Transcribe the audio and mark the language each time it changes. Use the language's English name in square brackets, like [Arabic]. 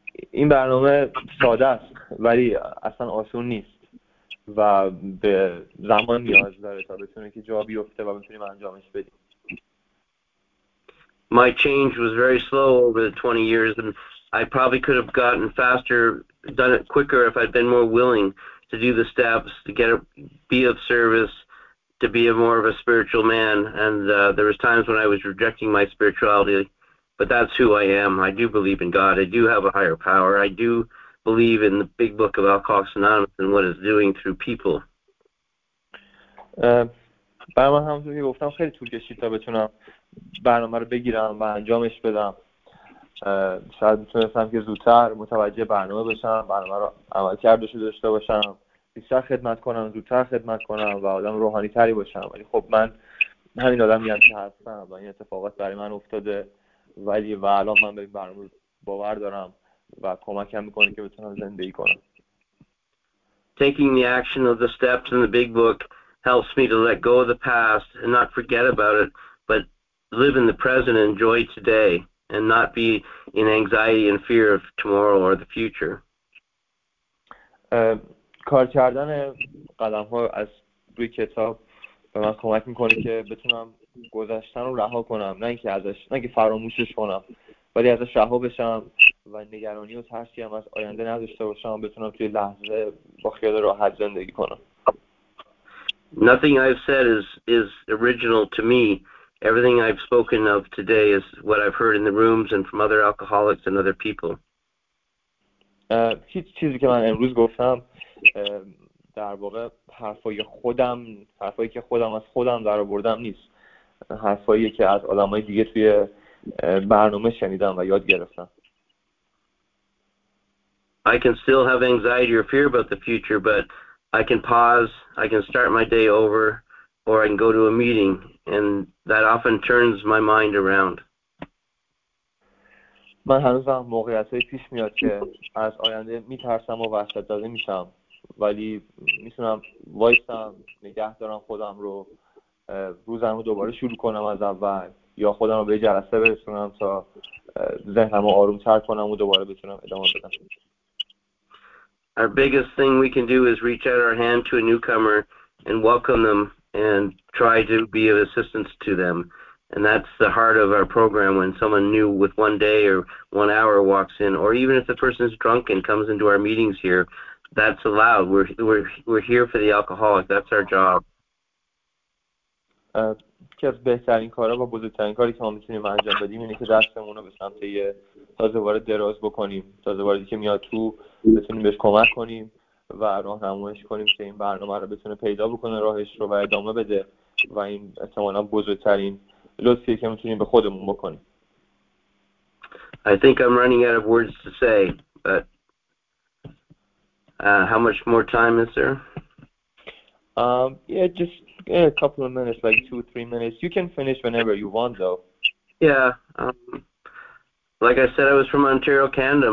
[Persian] این برنامه ساده است ولی اصلا آسون نیست. و به زمان نیاز داره تا بتونه که جا بیفته و بتونیم انجامش بدیم. [English] My change was very slow over the 20 years and I probably could have gotten faster, done it quicker if I'd been more willing to do the steps, to get a, be of service, to be a more of a spiritual man. And there was times when I was rejecting my spirituality, but that's who I am. I do believe in God. I do have a higher power. I do believe in the big book of Alcoholics Anonymous and what it's doing through people. [Persian] برای من همونطور که گفتم خیلی طول کشید تا بتونم برنامه رو بگیرم و انجامش بدم. شاید میتونستم که زودتر متوجه برنامه بشم، برنامه رو عمل کردش داشته باشم، بیشتر خدمت کنم، زودتر خدمت کنم و آدم روحانی تری باشم، ولی خب من همین آدم میگم که هستم و این اتفاقات برای من افتاده، ولی و الان من به این برنامه باور دارم و کمکم میکنه که بتونم زندگی کنم. [English] Taking the action of the steps in the big book helps me to let go of the past and not forget about it, but live in the present and enjoy today and not be in anxiety and fear of tomorrow or the future. [Persian] کار کردن قدم ها از روی کتاب به من کمک میکنه که بتونم گذشتن رو رها کنم، نه اینکه ازش، نه اینکه فراموشش کنم، ولی ازش رها بشم و نگرانی و ترسی هم از آینده نداشته باشم، بتونم توی لحظه با خیال راحت زندگی کنم. [English] Nothing I've said is original to me. Everything I've spoken of today is what I've heard in the rooms and from other alcoholics and other people. [Persian] هیچ چیزی که من امروز گفتم در واقع حرفای خودم، حرفایی که خودم از خودم درآوردم نیست. حرفایی که از آدمای دیگه توی برنامه شنیدم و یاد گرفتم. [English] I can still have anxiety or fear about the future, but I can pause, I can start my day over, or I can go to a meeting, and that often turns my mind around. [Persian] من هنوزم موقعیتی پیش میاد که از آینده میترسم و وحشت زده میشم، ولی میتونم وایستم، نگه دارم خودم رو، روزم رو دوباره شروع کنم از اول، یا خودم رو به جلسه برسونم تا ذهنم رو آروم تر کنم و دوباره بتونم ادامه بدم. [English] Our biggest thing we can do is reach out our hand to a newcomer and welcome them and try to be of assistance to them. And that's the heart of our program when someone new with one day or one hour walks in, or even if the person is drunk and comes into our meetings here, that's allowed. We're here for the alcoholic. That's our job. [Persian] که از بهترین کارا و بزرگترین کاری که ما میتونیم انجام بدیم اینه که دستمون رو به سمت یه تازه وارد دراز بکنیم، تازه واردی که میاد تو، بتونیم بهش کمک کنیم و راهنماییش کنیم که این برنامه رو بتونه پیدا بکنه راهش رو و ادامه بده، و این احتمالاً بزرگترین لطفیه که میتونیم به خودمون بکنیم. [English] I think I'm running out of words to say, but how much more time is there? Yeah, just a couple of minutes, like 2 or 3 minutes. You can finish whenever you want, though. Yeah. Like I said, I was from Ontario, Canada.